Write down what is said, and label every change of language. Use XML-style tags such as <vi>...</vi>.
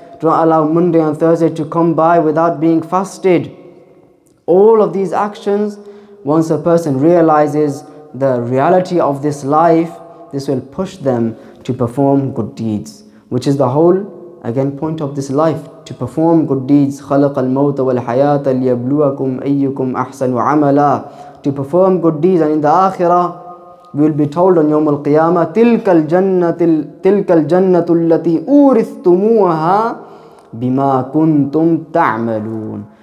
<en>Do not allow Monday and Thursday to come by without being fasted. All of these actions, once a person realizes the reality of this life, this will push them to perform good deeds, which is the whole, again, point of this life. To perform good deeds,</en> <ar>خلق الموت والحياة ليبلوكم أيكم أحسن عملا.</ar> <en>To perform good deeds, and in the Akhirah, we will be told on</en> <ar>يوم القيامة, تلك الجنة التي أورثتموها بما كنتم تعملون.</ar>